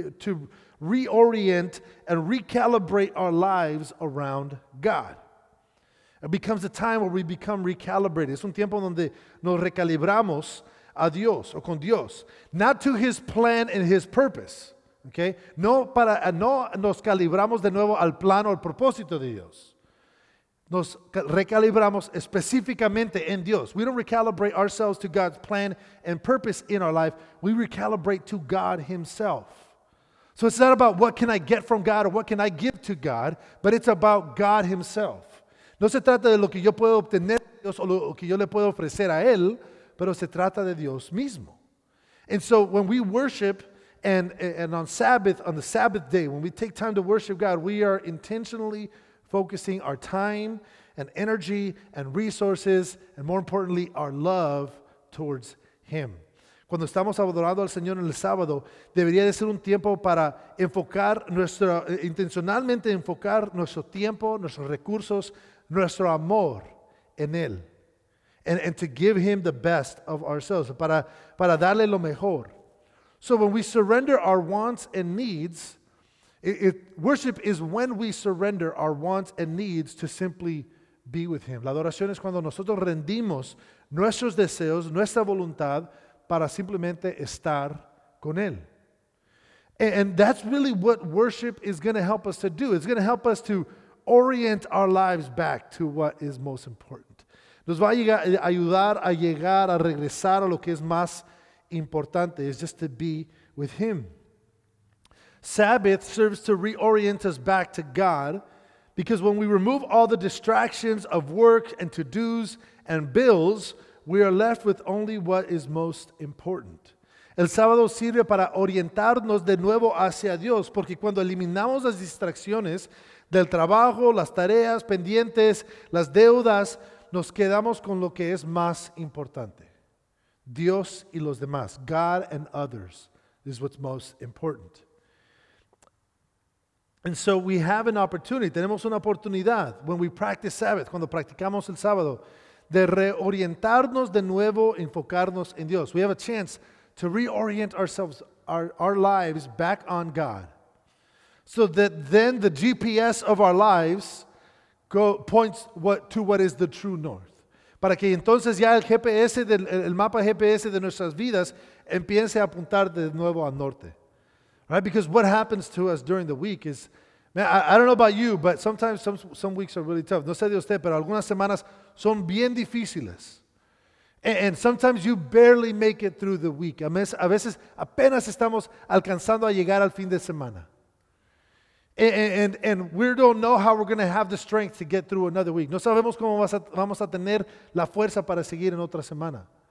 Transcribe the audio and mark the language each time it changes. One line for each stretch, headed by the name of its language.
English: To reorient and recalibrate our lives around God. It becomes a time where we become recalibrated.
Spanish: Es un tiempo donde nos recalibramos a Dios o con Dios.
English: Not to His plan and His purpose.
Spanish: Okay? No nos calibramos de nuevo al plan o al propósito de Dios. Nos recalibramos específicamente en Dios.
English: We don't recalibrate ourselves to God's plan and purpose in our life. We recalibrate to God Himself. So it's not about what can I get from God or what can I give to God, but it's about God Himself.
Spanish: No se trata de lo que yo puedo obtener de Dios o lo que yo le puedo ofrecer a Él, pero se trata de Dios mismo.
English: And so when we worship and on the Sabbath day, when we take time to worship God, we are intentionally focusing our time and energy and resources and more importantly, our love towards Him.
Spanish: Cuando estamos adorando al Señor en el sábado, debería de ser un tiempo para intencionalmente enfocar nuestro tiempo, nuestros recursos, nuestro amor en Él.
English: And to give Him the best of ourselves,
Spanish: para darle lo mejor.
English: So when we surrender our wants and needs, worship is when we surrender our wants and needs to simply be with Him.
Spanish: La adoración es cuando nosotros rendimos nuestros deseos, nuestra voluntad, para simplemente estar con Él.
English: And that's really what worship is going to help us to do. It's going to help us to orient our lives back to what is most important.
Spanish: Nos va a ayudar a llegar, a regresar a lo que es más importante,
English: is just to be with Him. Sabbath serves to reorient us back to God, because when we remove all the distractions of work and to-dos and bills, we are left with only what is most important.
Spanish: El sábado sirve para orientarnos de nuevo hacia Dios, porque cuando eliminamos las distracciones del trabajo, las tareas pendientes, las deudas, nos quedamos con lo que es más importante. Dios y los demás.
English: God and others This is what's most important. And so we have an opportunity,
Spanish: tenemos una oportunidad,
English: when we practice Sabbath,
Spanish: cuando practicamos el sábado, de reorientarnos de nuevo, enfocarnos en Dios.
English: We have a chance to reorient ourselves, our lives back on God, so that then the GPS of our lives points to what is the true north.
Spanish: Para que entonces ya el mapa GPS de nuestras vidas empiece a apuntar de nuevo al norte.
English: Right? Because what happens to us during the week is, man, I don't know about you, but sometimes some weeks are really tough.
Spanish: No sé de usted, pero algunas semanas son bien difíciles.
English: And sometimes you barely make it through the week.
Spanish: A veces apenas estamos alcanzando a llegar al fin de semana.
English: And we don't know how we're going to have the strength to get through another week.
Spanish: No sabemos cómo vamos a tener la fuerza para seguir en otra semana.